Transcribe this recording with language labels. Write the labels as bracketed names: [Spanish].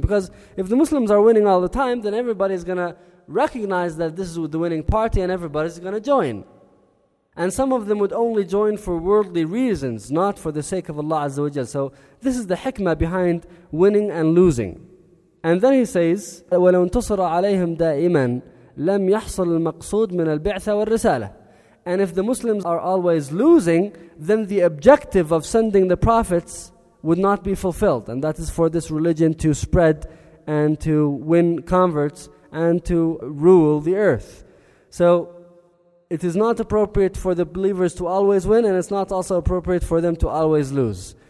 [English] Because if the Muslims are winning all the time, then everybody's going to recognize that this is the winning party and everybody's going to join. And some of them would only join for worldly reasons, not for the sake of Allah Azza wa Jalla. So this is the hikmah behind winning and losing. And then he says, [Arabic] وَلَوْ انتصرَ عَلَيْهِمْ دَائِمًا لَمْ يَحْصُلُ الْمَقْصُودُ مِنَ الْبِعْثَ وَالرِّسَالَةِ. [English] And if the Muslims are always losing, then the objective of sending the prophets would not be fulfilled. And that is for this religion to spread and to win converts and to rule the earth. So it is not appropriate for the believers to always win, and it's not also appropriate for them to always lose.